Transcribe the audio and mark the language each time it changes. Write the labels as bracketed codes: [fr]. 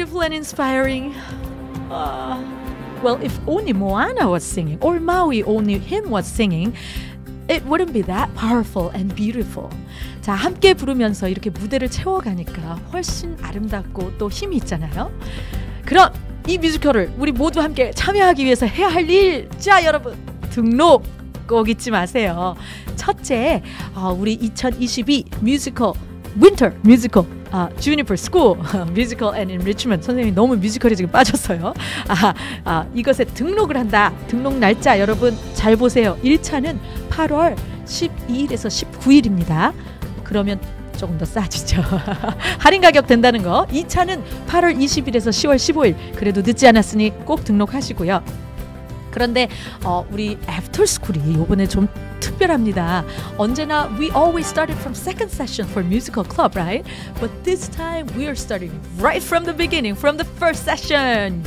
[en] Inspiring. Well, if only Moana was singing, or Maui, only him was singing, it wouldn't be that powerful and beautiful. [ko] 자, 함께 부르면서 이렇게 무대를 채워가니까 훨씬 아름답고 또 힘이 있잖아요. 그럼 이 뮤지컬을 우리 모두 함께 참여하기 위해서 해야 할 일, 자 여러분 등록 꼭 잊지 마세요. 첫째, 우리 2022 뮤지컬 Winter Musical. 아, Juniper School, Musical and Enrichment. 선생님이 너무 뮤지컬이 지금 빠졌어요. 이것에 등록을 한다. 등록 날짜 여러분 잘 보세요. 1차는 8월 12일에서 19일입니다. 그러면 조금 더 싸지죠. 할인 가격 된다는 거. 2차는 8월 20일에서 10월 15일. 그래도 늦지 않았으니 꼭 등록하시고요. 그런데 우리 애프터스쿨이 이번에 좀 특별합니다. 언제나 [en] we always started from second session for musical club, right? But this time we are starting right from the beginning, from the first session.